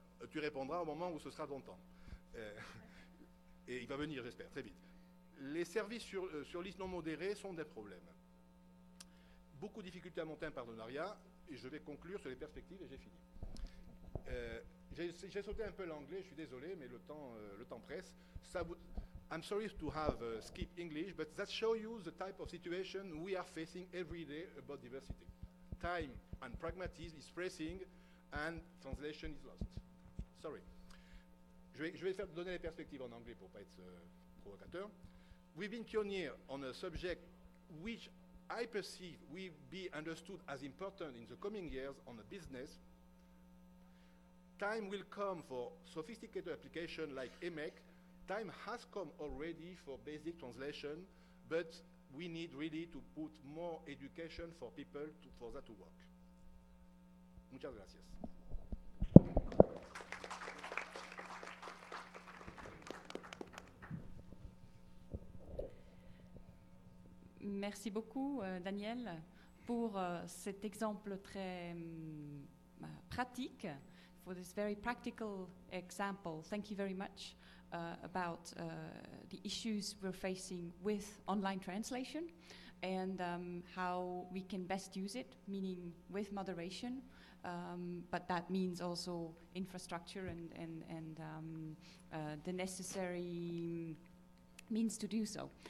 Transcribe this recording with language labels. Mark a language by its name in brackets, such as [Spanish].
[French] Tu répondras au moment où ce sera ton temps. Et il va venir, j'espère, très vite. Les services sur liste non modérée sont des problèmes. Beaucoup de difficultés à monter un partenariat, et je vais conclure sur les perspectives, et j'ai fini. J'ai sauté un peu l'anglais, je suis désolé, mais le temps presse. [English] I'm sorry to have skip English, but that shows you the type of situation we are facing every day about diversity. Time and pragmatism is pressing, and translation is lost. Sorry. [French] Je vais faire donner les perspectives en anglais pour ne pas être provocateur. [English] We've been pioneers on a subject which I perceive will be understood as important in the coming years on the business. Time will come for sophisticated applications like EMEC. Time has come already for basic translation, but we need really to put more education for people for that to work. [Spanish] Muchas gracias. [French] Merci beaucoup, Daniel, pour cet exemple très pratique, [English] for this very practical example. Thank you very much about the issues we're facing with online translation and how we can best use it, meaning with moderation, but that means also infrastructure and the necessary means to do so.